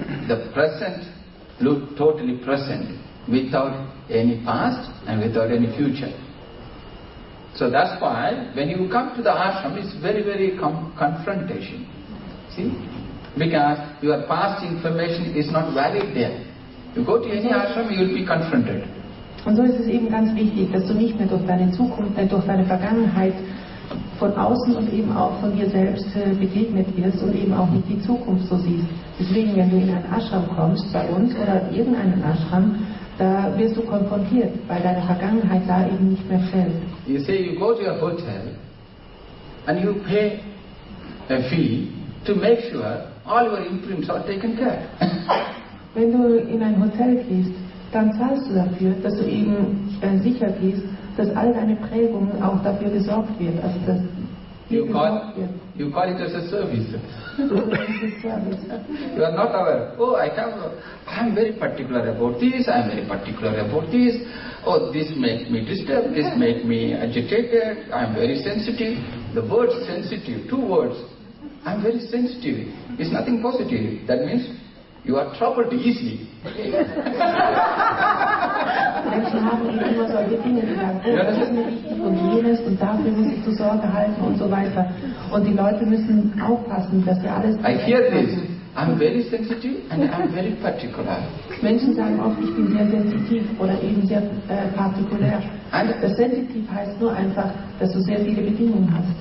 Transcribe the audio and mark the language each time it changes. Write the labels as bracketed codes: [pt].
[en] The present look totally present without any past and without any future. So that's why when you come to the ashram, it's very, very confrontation. See? Because your past information is not valid there. You go to any ashram, you will be confronted. [de] Und so ist es eben ganz wichtig, dass du nicht mehr durch deine Zukunft, durch deine Vergangenheit von außen und eben auch von dir selbst begegnet wirst und eben auch nicht die Zukunft so siehst. Deswegen, wenn du in einen Ashram kommst, bei uns oder in irgendeinen Ashram, da wirst du konfrontiert, weil deine Vergangenheit da eben nicht mehr fällt. [en] You say you go to a hotel and you pay a fee to make sure all your imprints are taken care of. [de] Wenn du in ein Hotel gehst, dann zahlst du dafür, dass du eben sicher gehst, dass all deine Prägungen auch dafür gesorgt wird. Also dass [en] you call it as a service. You are not aware. Oh, I'm very particular about this. I'm very particular about this. Oh, this makes me disturbed. This makes me agitated. I'm very sensitive. The word sensitive, two words. I'm very sensitive. It's nothing positive. That means you are troubled easily. [de] Menschen haben eben immer solche Dinge gesagt, und jenes, und dafür muss ich zur Sorge halten und so weiter. Und die Leute müssen aufpassen, dass sie alles... [en] I hear this. I'm very sensitive and I'm very particular. [de] Menschen sagen oft, ich bin sehr sensitiv oder eben sehr partikulär. And das sensitiv heißt nur einfach, dass du sehr viele Bedingungen hast.